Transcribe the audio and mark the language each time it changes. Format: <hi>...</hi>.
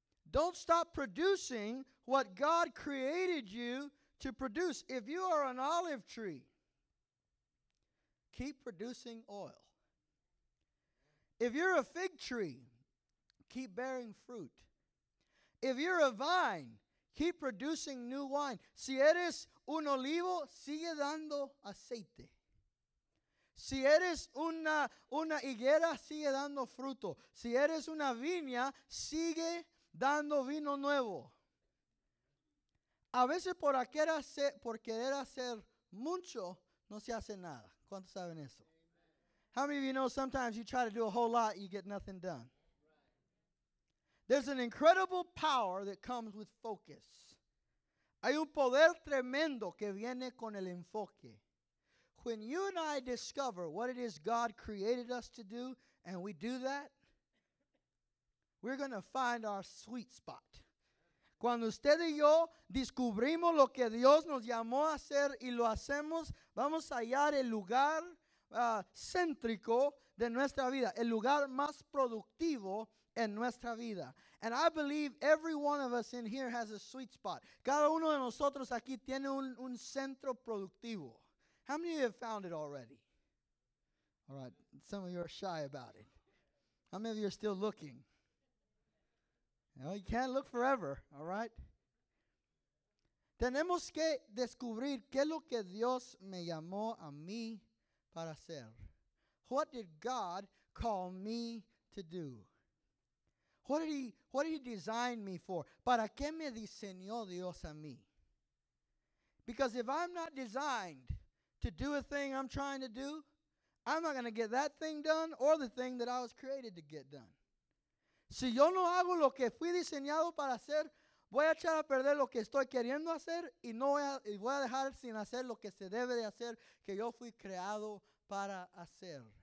<en>Don't stop producing what God created you to produce. If you are an olive tree, keep producing oil. If you're a fig tree, keep bearing fruit. If you're a vine, keep producing new wine.</en> <es>Si eres un olivo, sigue dando aceite. Si eres una higuera, sigue dando fruto. Si eres una viña, sigue dando vino nuevo. A veces por querer hacer mucho, no se hace nada. ¿Cuántos saben eso?</es> <en>How many of you know sometimes you try to do a whole lot, you get nothing done? There's an incredible power that comes with focus.</en> <es>Hay un poder tremendo que viene con el enfoque.</es> <en>when you and I discover what it is God created us to do, and we do that, we're going to find our sweet spot.</en> <es>Cuando usted y yo descubrimos lo que Dios nos llamó a hacer y lo hacemos, vamos a hallar el lugar céntrico de nuestra vida, el lugar más productivo en nuestra vida.</es> <en>And I believe every one of us in here has a sweet spot.</en> <es>Cada uno de nosotros aquí tiene un centro productivo.</es> <en>How many of you have found it already? All right, some of you are shy about it. How many of you are still looking? Well, you can't look forever, all right?</en> <es>Tenemos que descubrir qué es lo que Dios me llamó a mí para hacer.</es> <en>What did God call me to do? What did he design me for?</en> <es>¿Para qué me diseñó Dios a mí?</es> <en>Because if I'm not designed to do a thing I'm trying to do, I'm not going to get that thing done or the thing that I was created to get done.</en> <es>Si yo no hago lo que fui diseñado para hacer, voy a echar a perder lo que estoy queriendo hacer y no voy a, y voy a dejar sin hacer lo que se debe de hacer que yo fui creado para hacer.</es>